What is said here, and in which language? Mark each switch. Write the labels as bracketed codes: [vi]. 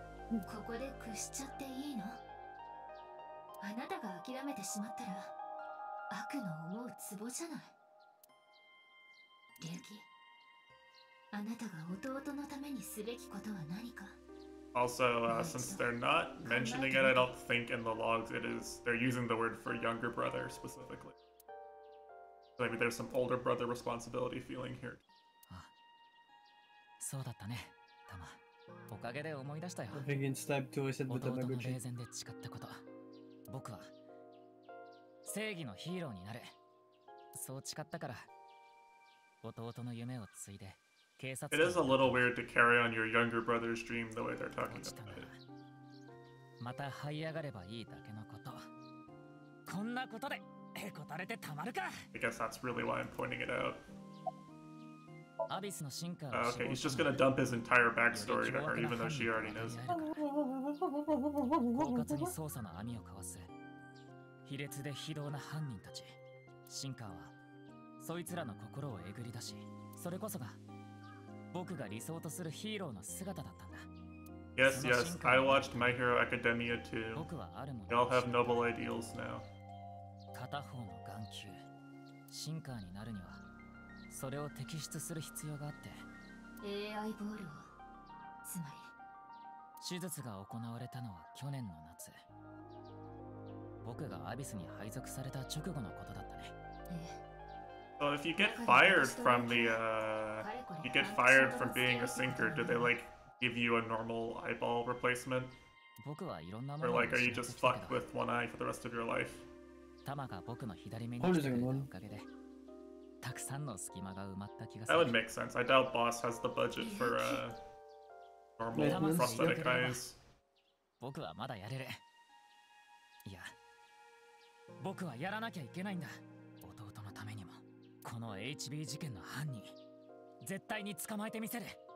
[ja] ここで屈しちゃっていいの？あなたが諦めてしまったら悪の思うツボじゃない。リュウキ、あなたが弟のためにすべきことは何か？ [en] Also, since they're not mentioning it, I don't think in the logs it is. They're using the word for younger brother specifically. Maybe there's some older brother responsibility feeling here. [ja] そうだったね、タマ。おかげで思い出したよ。 [en] I think it's time to listen to the [ja] Maguchi. 弟の冷戦で誓ったこと。僕は正義のヒーローになる。そう誓ったから、弟の夢を継いで警察。 [en] It is a little weird to carry on your younger brother's dream the way they're talking about it. [ja] また這い上がればいいだけのこと。こんなことで。 [en] I guess that's really why I'm pointing it out. Okay, he's just gonna dump his entire backstory to her, even though she already knows. [ja] 狡猾に捜査の網をかわす。卑劣で非道な犯人たち。シンカーはそいつらの心をえぐり出し、それこそが僕が理想とするヒーローの姿だったんだ。 [en] Yes, yes, I watched My Hero Academia too. We all have noble ideals now. [ja] 片方の眼球、シンカーになるには、それを摘出する必要があって。 AI ボールを、つまり。手術が行われたのは去年の夏。僕がアビスに配属された直後のことだったね。 [en] So if you get fired from the, you get fired from being a sinker, do they like give you a normal eyeball replacement? [ja] 僕はいろんなものを。 [en] Or like, are you just fucked with one eye for the rest of your life? [ja] タマが僕の左目に来てくれたおかげで、たくさんの隙間が埋まった気がする。 [en] That would make sense. I doubt boss has the budget for normal prosthetic eyes. [ja] 僕はまだやれる。いや、僕はやらなきゃいけないんだ。弟のためにも、この HB 事件の犯人、絶対に捕まえてみせる。